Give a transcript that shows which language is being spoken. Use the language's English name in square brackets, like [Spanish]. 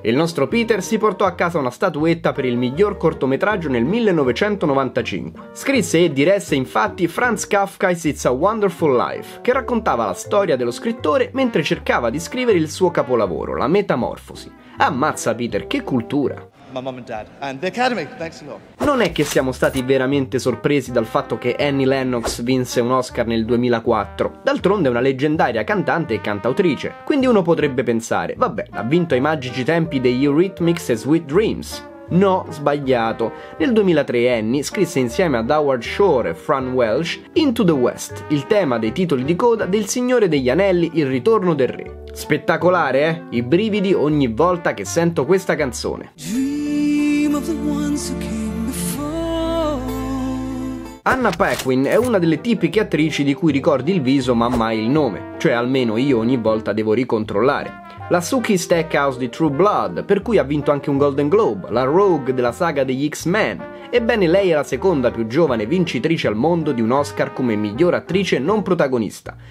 [Italian] Il nostro Peter si portò a casa una statuetta per il miglior cortometraggio nel 1995. Scrisse e diresse infatti Franz Kafka's It's a Wonderful Life, che raccontava la storia dello scrittore mentre cercava di scrivere il suo capolavoro, La Metamorfosi. Ammazza Peter, che cultura! [English] My mom and dad and the Academy, thanks a lot. [Italian] Non è che siamo stati veramente sorpresi dal fatto che Annie Lennox vinse un Oscar nel 2004. D'altronde è una leggendaria cantante e cantautrice. Quindi uno potrebbe pensare, vabbè, ha vinto ai magici tempi degli Eurythmics e Sweet Dreams. No, sbagliato. Nel 2003 Annie scrisse insieme ad Howard Shore e Fran Welsh Into the West, il tema dei titoli di coda del Signore degli Anelli, Il Ritorno del Re. Spettacolare, eh? I brividi ogni volta che sento questa canzone. [English] Dream of the ones who came before. [Italian] Anna Paquin è una delle tipiche attrici di cui ricordi il viso ma mai il nome. Cioè almeno io ogni volta devo ricontrollare. la Suki Steakhouse di True Blood, per cui ha vinto anche un Golden Globe, la Rogue della saga degli X-Men. Ebbene, lei è la seconda più giovane vincitrice al mondo di un Oscar come miglior attrice non protagonista.